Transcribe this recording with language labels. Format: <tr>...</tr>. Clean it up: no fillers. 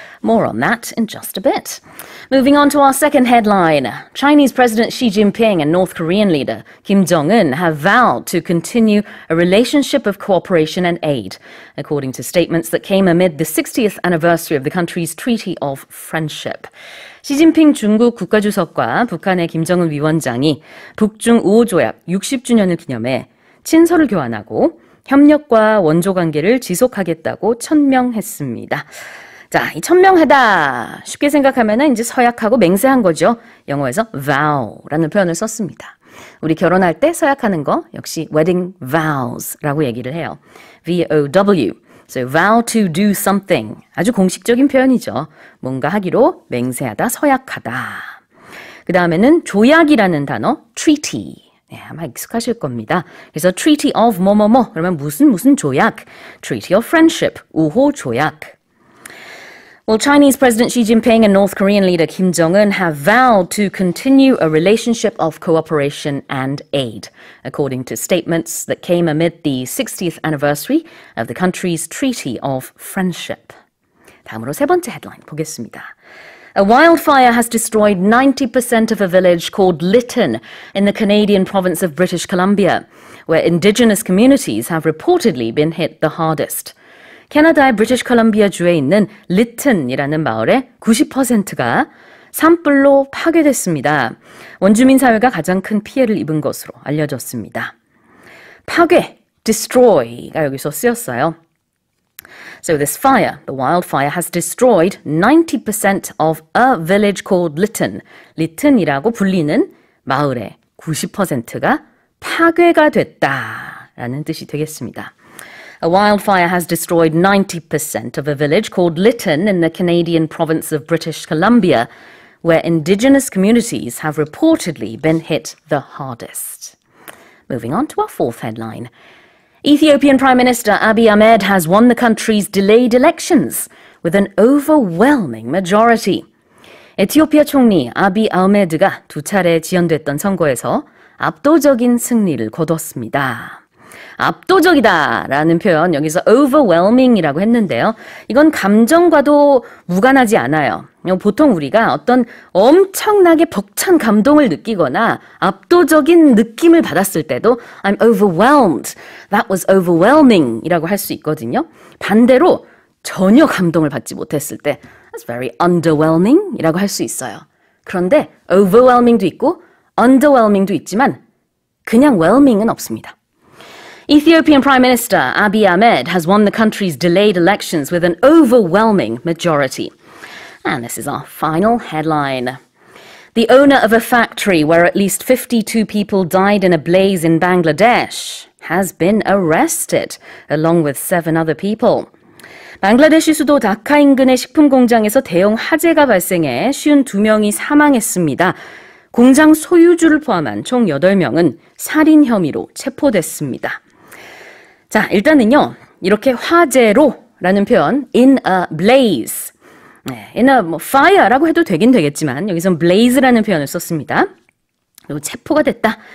<en>More on that in just a bit. Moving on to our second headline. Chinese President Xi Jinping and North Korean leader Kim Jong Un have vowed to continue a relationship of cooperation and aid, according to statements that came amid the 60th anniversary of the country's Treaty of Friendship.</en> <ko>시진핑 중국 국가주석과 북한의 김정은 위원장이 북중 우호조약 60주년을 기념해 친서를 교환하고 협력과 원조 관계를 지속하겠다고 천명했습니다. 자, 이 천명하다. 쉽게 생각하면 이제 서약하고 맹세한 거죠. 영어에서 vow라는 표현을 썼습니다. 우리 결혼할 때 서약하는 거 역시</ko> <en>wedding vows</en> <ko>라고 얘기를 해요. V-O-W.</ko> <en>So vow to do something.</en> <ko>아주 공식적인 표현이죠. 뭔가 하기로 맹세하다, 서약하다. 그 다음에는 조약이라는 단어, treaty. 네, 아마 익숙하실 겁니다. 그래서 Treaty of 뭐뭐뭐 그러면 무슨 조약, Treaty of Friendship, 우호 조약.</ko> <en>Well, Chinese President Xi Jinping and North Korean leader Kim Jong-un have vowed to continue a relationship of cooperation and aid, according to statements that came amid the 60th anniversary of the country's Treaty of Friendship.</en> <ko>다음으로 세 번째 헤드라인 보겠습니다.</ko> <en>A wildfire has destroyed 90% of a village called Lytton in the Canadian province of British Columbia, where indigenous communities have reportedly been hit the hardest.</en> <ko>캐나다의 British Columbia 주에 있는 Lytton이라는 마을의 90%가 산불로 파괴됐습니다. 원주민 사회가 가장 큰 피해를 입은 것으로 알려졌습니다. 파괴, destroy가 여기서 쓰였어요.</ko> <en>So this fire, the wildfire, has destroyed 90% of a village called Lytton.</en> <ko>Lytton이라고 불리는 마을의 90%가 파괴가 됐다라는 뜻이 되겠습니다.</ko> <en>A wildfire has destroyed 90% of a village called Lytton in the Canadian province of British Columbia, where indigenous communities have reportedly been hit the hardest. Moving on to our fourth headline. Ethiopian Prime Minister Abiy Ahmed has won the country's delayed elections with an overwhelming majority.</en> <ko>에티오피아 총리 아비 아흐메드가 두 차례 지연됐던 선거에서 압도적인 승리를 거뒀습니다. 압도적이다 라는 표현, 여기서 overwhelming이라고 했는데요. 이건 감정과도 무관하지 않아요. 보통 우리가 어떤 엄청나게 벅찬 감동을 느끼거나 압도적인 느낌을 받았을 때도</ko> <en>I'm overwhelmed, that was overwhelming</en> <ko>이라고 할 수 있거든요. 반대로 전혀 감동을 받지 못했을 때</ko> <en>That's very underwhelming</en> <ko>이라고 할 수 있어요. 그런데 overwhelming도 있고 underwhelming도 있지만 그냥 whelming은 없습니다.</ko> <en>Ethiopian Prime Minister Abiy Ahmed has won the country's delayed elections with an overwhelming majority. And this is our final headline. The owner of a factory where at least 52 people died in a blaze in Bangladesh has been arrested, along with seven other people.</en> <ko>방글라데시 수도 다카 인근의 식품 공장에서 대형 화재가 발생해 52명이 사망했습니다. 공장 소유주를 포함한 총 8명은 살인 혐의로 체포됐습니다. 자, 일단은요, 이렇게 화재로라는 표현,</ko> <en>in a blaze, in a fire</en> <ko>라고 해도 되긴 되겠지만 여기서 blaze라는 표현을 썼습니다. 그리고 체포가 됐다.</ko>